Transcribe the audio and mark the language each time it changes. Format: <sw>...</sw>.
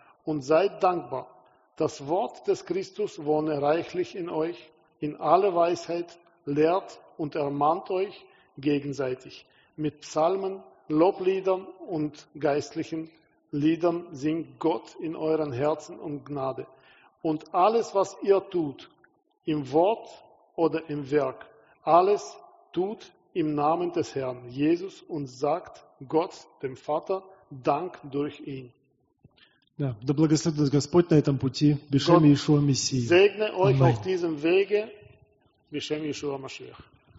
<de>Und seid dankbar, das Wort des Christus wohne reichlich in euch, in alle Weisheit, lehrt und ermahnt euch gegenseitig, mit Psalmen, Lobliedern und geistlichen Liedern singt Gott in euren Herzen um Gnade. Und alles, was ihr tut, im Wort oder im Werk, alles tut im Namen des Herrn Jesus und sagt Gott, dem Vater, Dank durch ihn.</de> <ru>Ja, da благословит вас Господь на этом пути, Бешем Иешуа Мессии.</ru> <de>Segne euch auf diesem Wege, Бешем Иешуа Машиах.</de>